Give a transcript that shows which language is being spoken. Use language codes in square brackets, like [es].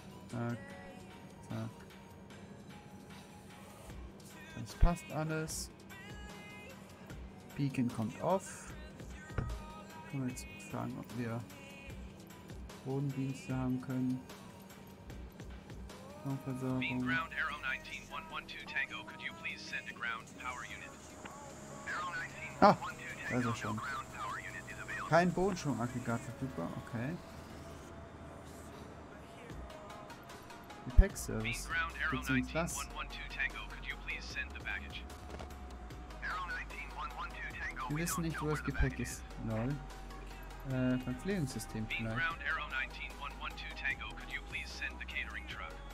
[de] Zack. Zack. Das passt alles. Beacon kommt off. Können wir jetzt fragen, ob wir Bodendienste haben können. [en] Mean ground Arrow 19112 Tango, could you please send a ground power unit? Arrow 19112 Tango, no ground power unit is available. [de] Kein Bodenschwung-Aggregat verfügbar, okay. Gepäck-Service. [en] Mean ground Arrow 19112 Tango, could you please send the baggage? [de] Arrow 19112 Tango, wir wissen nicht, wo das Gepäck ist. Lol. Verpflegungssystem vielleicht. [en] Mean ground Arrow 19112 Tango, could you please send the catering truck?